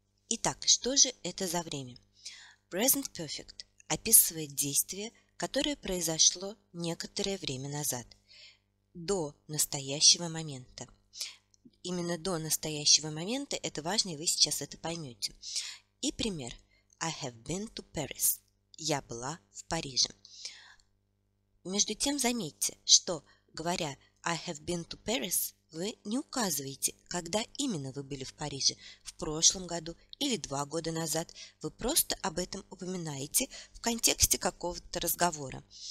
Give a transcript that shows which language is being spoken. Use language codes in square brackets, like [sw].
[ru] Итак, что же это за время? Present perfect описывает действие, которое произошло некоторое время назад, до настоящего момента. Именно до настоящего момента – это важно, и вы сейчас это поймете. [en] И пример – I have been to Paris. [ru] Я была в Париже. Между тем, заметьте, что, говоря [en] I have been to Paris, [ru] вы не указываете, когда именно вы были в Париже, в прошлом году или 2 года назад. Вы просто об этом упоминаете в контексте какого-то разговора.